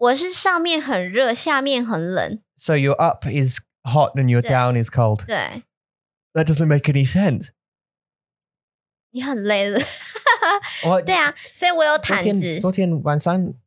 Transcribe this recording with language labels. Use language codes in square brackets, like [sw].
[zh] 我有一半一半欸。为什么你要冷气？我是上面很热，下面很冷。So [en] your up is hot and your down is cold. [zh] 对。That [en] doesn't make any sense. [zh] 你很累了。对啊，所以我有毯子。昨天晚上